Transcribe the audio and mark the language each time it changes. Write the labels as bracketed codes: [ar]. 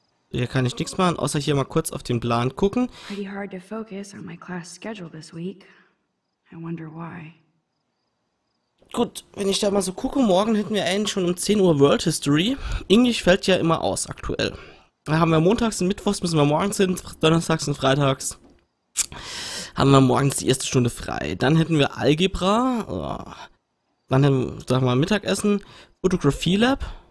[de] Hier kann ich nichts machen, außer hier mal kurz auf den Plan gucken. [en] Pretty hard to focus on my class schedule this week. I wonder why. [de] Gut, wenn ich da mal so gucke, morgen hätten wir eigentlich schon um 10 Uhr World History. Englisch fällt ja immer aus aktuell. Da haben wir montags und mittwochs, müssen wir morgens hin, donnerstags und freitags haben wir morgens die erste Stunde frei. Dann hätten wir Algebra, oh. Dann hätten wir, sag mal, Mittagessen, Fotografie Lab.